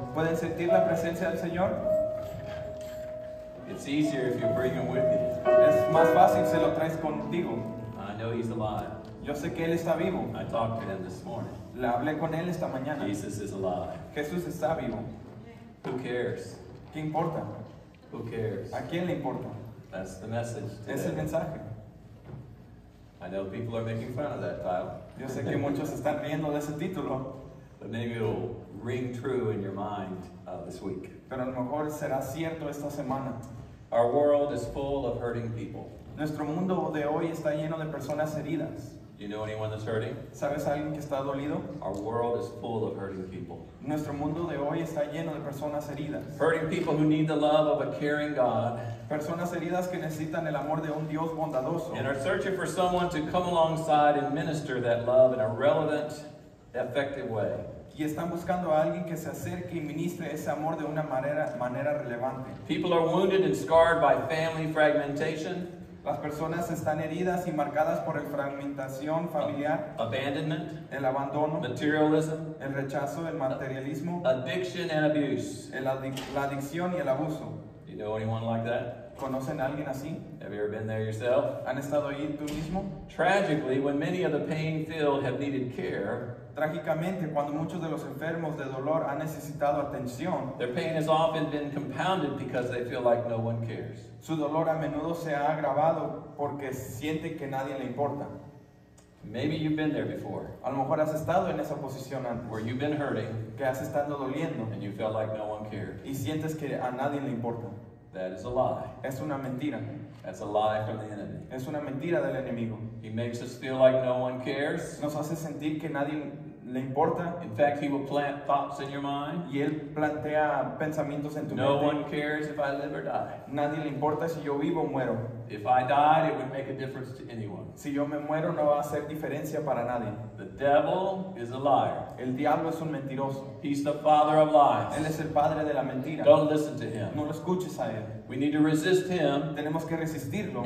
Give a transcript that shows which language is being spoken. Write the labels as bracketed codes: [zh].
[es] ¿Pueden sentir la presencia del Señor? [en] It's easier if you bring him with you. [es] Es más fácil si lo traes contigo. [en] I know he's alive. [es] Yo sé que él está vivo. [en] I talked to him this morning. [es] Le hablé con él esta mañana. [en] Jesus is alive. [es] Jesús está vivo. [en] Who cares? [es] ¿Qué importa? [en] Who cares? [es] ¿A quién le importa? [en] That's the message today. [es] Es el mensaje. [en] I know people are making fun of that title. [es] Yo sé que muchos están riendo de ese título. [en] But maybe it'll ring true in your mind this week. [es] Pero a lo mejor será cierto esta semana. [en] Our world is full of hurting people. [es] Nuestro mundo de hoy está lleno de personas heridas. [en] You know anyone that's hurting? [es] ¿Sabes a alguien que está dolido? [en] Our world is full of hurting people. [es] Nuestro mundo de hoy está lleno de personas heridas. [en] Hurting people who need the love of a caring God. [es] Personas heridas que necesitan el amor de un Dios bondadoso. [en] And are searching for someone to come alongside and minister that love in a relevant, effective way. [es] Y están buscando a alguien que se acerque y ministre ese amor de una manera relevante. [en] People are wounded and scarred by family fragmentation. [es] Las personas están heridas y marcadas por el fragmentación familiar. [en] Abandonment. [es] El abandono. [en] Materialism. [es] El rechazo, el materialismo. [en] Addiction and abuse. [es] La adicción y el abuso. [en] Do you know anyone like that? [es] ¿Conocen a alguien así? [en] Have you ever been there yourself? [es] ¿Han estado ahí tú mismo? [en] Tragically, when many of the pain-filled have needed care, [es] trágicamente, cuando muchos de los enfermos de dolor han necesitado atención, [en] their pain has often been compounded because they feel like no one cares. [es] Su dolor a menudo se ha agravado porque siente que nadie le importa. [en] Maybe you've been there before. [es] A lo mejor has estado en esa posición antes. [en] Where you've been hurting. [es] Que has estado doliendo. [en] And you feel like no one cares. [es] Y sientes que a nadie le importa. [en] That is a lie. [es] Es una mentira. [en] That's a lie from the enemy. [es] Es una mentira del enemigo. [en] He makes us feel like no one cares. [es] Nos hace sentir que nadie le importa. [en] In fact, he will plant thoughts in your mind. [es] Y él plantea pensamientos en tu no mente. [en] No one cares if I live or die. [es] Nadie le importa si yo vivo o muero. [en] If I died, it would make a difference to anyone. [es] Si yo me muero, no va a hacer diferencia para nadie. [en] The devil is a liar. [es] El diablo es un mentiroso. [en] He's the father of lies. [es] Él es el padre de la mentira. [en] Don't listen to him. [es] No lo escuches a él. [en] We need to resist him. [es] Tenemos que resistirlo.